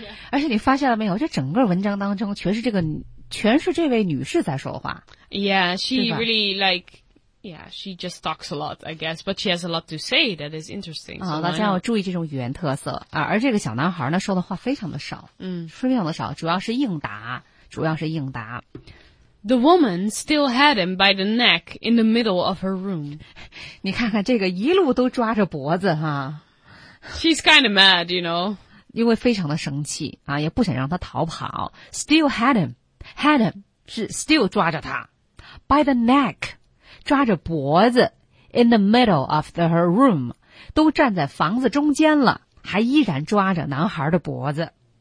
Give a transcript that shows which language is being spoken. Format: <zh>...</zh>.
<zh>而且你发现了没有，这整个文章当中全是这个全是这位女士在说话。</zh> <en>Yeah, she really like, yeah, she just talks a lot, I guess, but she has a lot to say that is interesting.</en> <zh>啊，大家要注意这种语言特色啊。而这个小男孩呢，说的话非常的少，嗯，非常的少，主要是应答。</zh> <en>The woman still had him by the neck in the middle of her room.</en> <zh>你看看这个一路都抓着脖子哈。</zh> <en>She's kind of mad, you know.</en> <zh>因为非常的生气啊，也不想让他逃跑。</zh> <en>Still had him. Had him,</en> <zh>是 still 抓着他</zh> <en>by the neck,</en> <zh>抓着脖子</zh> <en>in the middle of her room,</en> <zh>都站在房子中间了还依然抓着男孩的脖子。</zh>